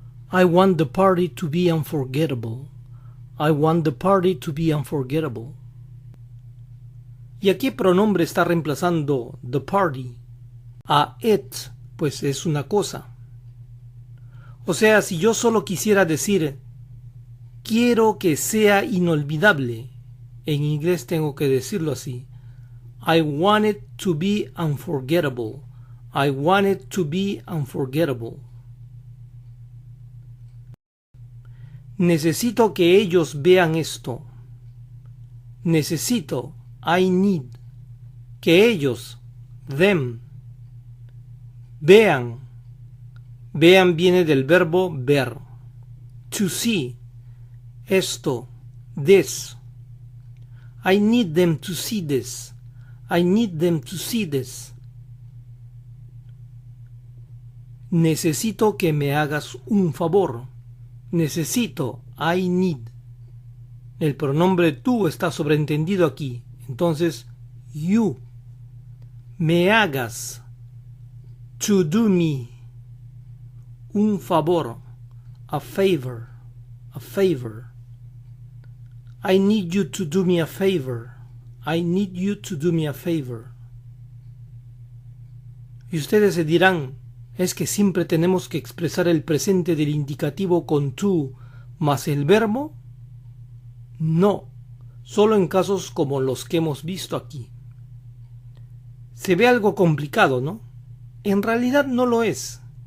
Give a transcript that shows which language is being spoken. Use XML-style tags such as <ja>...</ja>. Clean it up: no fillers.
<en>I want the party to be unforgettable. I want the party to be unforgettable.</en> <es>¿Y a qué pronombre está reemplazando the party? A it, pues es una cosa. O sea, si yo solo quisiera decir quiero que sea inolvidable. En inglés tengo que decirlo así.</es> <en>I want it to be unforgettable. I want it to be unforgettable.</en> <es>Necesito que ellos vean esto. Necesito,</es> <en>I need,</en> <es>que ellos, them, vean. Vean viene del verbo ver.</es> <en>To see,</en> <es>esto, this.</es> <en>I need them to see this. I need them to see this.</en> <es>Necesito que me hagas un favor. Necesito,</es> <en>I need.</en> <es>El pronombre tú está sobreentendido aquí. Entonces, you. Me hagas.</es> <en>To do me.</en> <es>Un favor. A favor. A favor.</es> <en>I need you to do me a favor. I need you to do me a favor.</en> <es>Y ustedes se dirán, es que siempre tenemos que expresar el presente del indicativo con to más el verbo. No, solo en casos como los que hemos visto aquí. Se ve algo complicado, ¿no? En realidad no lo es.</es>